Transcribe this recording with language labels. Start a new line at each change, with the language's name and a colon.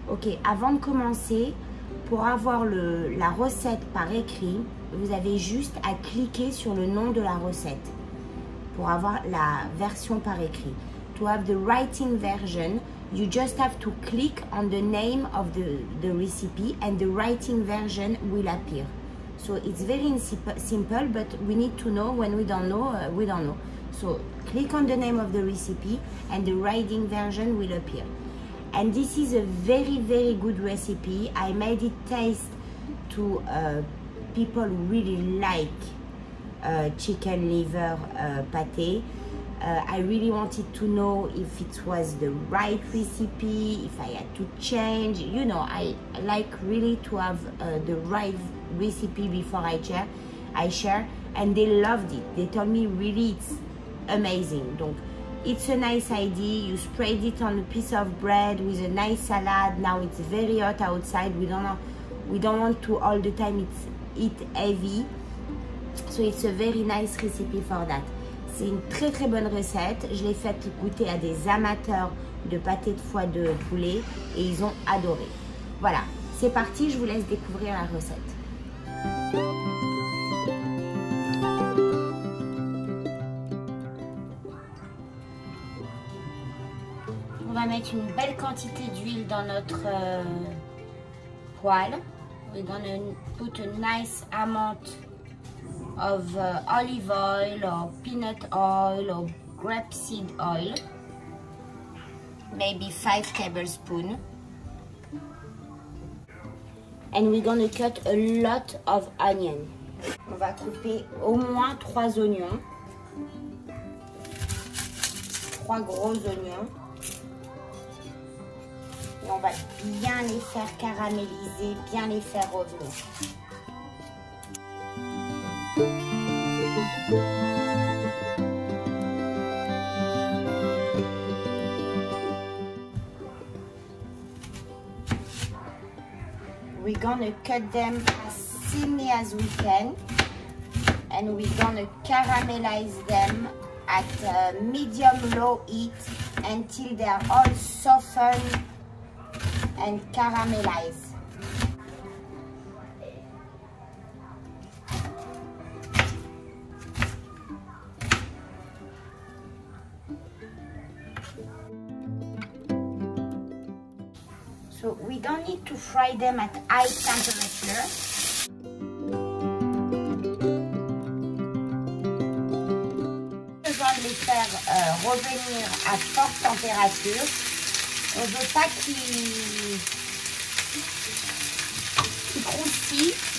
French: Ok, avant de commencer, pour avoir la recette par écrit, vous avez juste à cliquer sur le nom de la recette pour avoir la version par écrit.
English: To have the writing version, you just have to click on the name of the recipe and the writing version will appear. So it's very simple, but we need to know. When we don't know, we don't know. So click on the name of the recipe and the writing version will appear. And this is a very, very good recipe. I made it taste to people who really like chicken liver pâté. I really wanted to know if it was the right recipe, if I had to change. You know, I like really to have the right recipe before I share. And they loved it. They told me really it's amazing. Donc, it's a nice idea. You spread it on a piece of bread with a nice salad. Now it's very hot outside. We don't want to all the time eat heavy. So it's a very nice recipe for that.
French: C'est une très très bonne recette. Je l'ai faite goûter à des amateurs de pâté de foie de poulet et ils ont adoré. Voilà, c'est parti, je vous laisse découvrir la recette. On va mettre une belle quantité d'huile dans notre poêle.
English: We're gonna put a nice amount of olive oil or peanut oil or grapeseed oil, maybe 5 tablespoons. And we're gonna cut a lot of onion.
French: On va couper au moins 3 oignons, 3 gros oignons. Et on va bien les faire caraméliser, bien les faire revenir.
English: We're gonna cut them as thinly as we can and we're gonna caramelize them at medium-low heat until they are all softened and caramelized. So we don't need to fry them at high temperature.
French: On a besoin de les faire revenir à forte température. On ne veut pas qu'ils croustillent.